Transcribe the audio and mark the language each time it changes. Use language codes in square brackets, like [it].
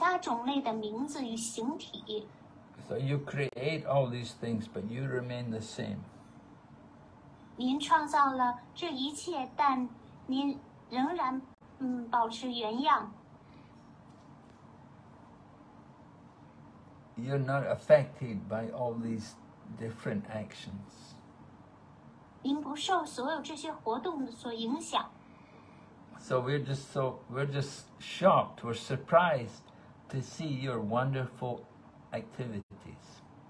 [zh] 正如大地创造出各种形象的石头、树木，还有其他种类的名字与形体。 [en] So you create all these things, but you remain the same. [zh] 您创造了这一切，但您仍然保持原样。 [en] You're not affected by all these different actions. [zh] 您不受所有这些活动所影响。 [en] So we're just shocked, we're surprised to see your wonderful activities.